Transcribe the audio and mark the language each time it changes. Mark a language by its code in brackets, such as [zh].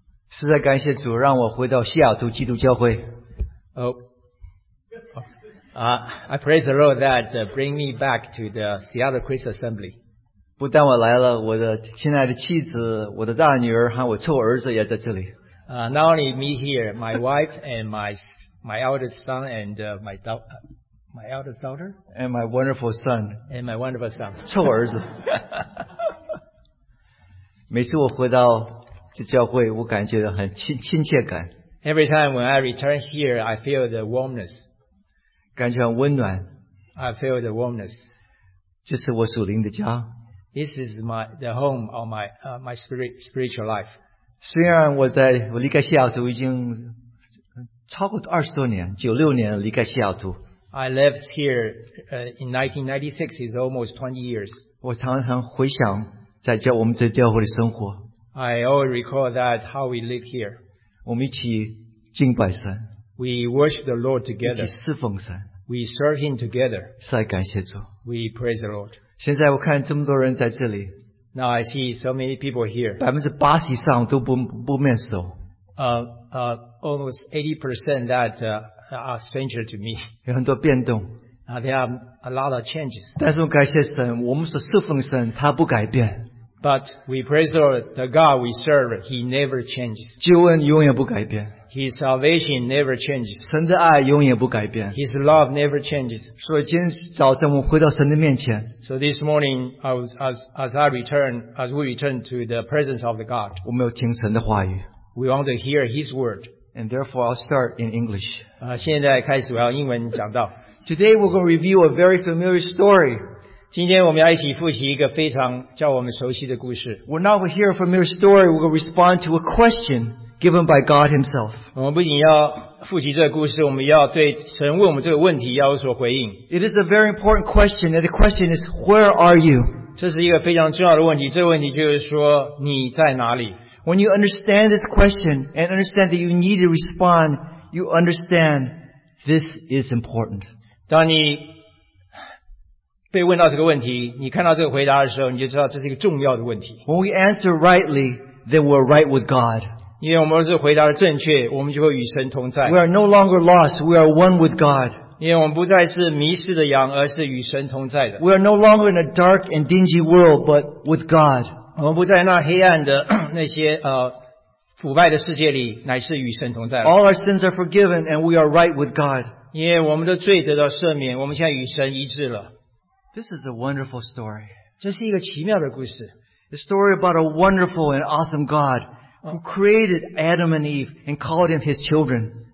[zh] 实在感谢主，让我回到西雅图基督教会。 [en] I praise the Lord that bring me back to the Seattle Christian Assembly. [zh] 不但我来了，我的亲爱的妻子、我的大女儿和我臭儿子也在这里。 [en] Not only me here, my wife and my eldest son and my eldest daughter and my wonderful son and my wonderful son. [zh] 臭儿子。每次我回到这教会，我感觉到很亲切感。 [en] Every time when I return here, I feel the warmness. [zh] 感觉很温暖。 [en] I feel the warmness. [zh] 这是我属灵的家。 [en] This is the home of my spiritual life. [zh] 虽然我离开西雅图已经超过二十多年，96年离开西雅图。 [en] I left here in 1996, it's almost 20 years. [zh] 我常常回想我们在教会的生活。 [en] I always recall that how we live here. [zh] 我们一起敬拜神。 [en] We worship the Lord together. [zh] 一起侍奉神。 [en] We serve Him together. [zh] 实在感谢主。 [en] We praise the Lord. [zh] 现在我看这么多人在这里。 [en] Now I see so many people here. [zh] 80%以上都不面熟。 [en] Almost 80% that are stranger to me. [zh] 有很多变动。 [en] There are a lot of changes. [zh] 但是我感谢神，我们所侍奉神，他不改变。 [en] But we praise the Lord, the God we serve, He never changes. [zh] 救恩永远不改变。 [en] His salvation never changes. [zh] 神的爱永远不改变。 [en] His love never changes. [zh] 所以今天早晨我回到神的面前。 [en] So this morning, as we return to the presence of the God, [zh] 我们要听神的话语。 [en] We want to hear His word. And therefore I'll start in English. [zh] 现在开始我要英文讲道。 [en] Today we're going to review a very familiar story. [zh] 今天我们要一起复习一个非常叫我们熟悉的故事。 [en] We're not going to hear a familiar story, we're going to respond to a question given by God Himself. [zh] 我们不仅要复习这个故事，我们要对神问我们这个问题要有所回应。 [en] It is a very important question, and the question is, where are you? [zh] 这是一个非常重要的问题，这个问题就是说，你在哪里？ [en] When you understand this question, and understand that you need to respond, you understand this is important. [zh] 当你被问到这个问题，你看到这个回答的时候，你就知道这是一个重要的问题。 [en] When we answer rightly, then we're right with God. [zh] 因为我们是回答的正确，我们就会与神同在。 [en] We are no longer lost, we are one with God. [zh] 因为我们不再是迷失的羊，而是与神同在的。 [en] We are no longer in a dark and dingy world, but with God. [zh] 我们不在那黑暗的那些 [en] All our sins are forgiven and we are right with God. This is a wonderful story. The story about a wonderful and awesome God who created Adam and Eve and called him his children.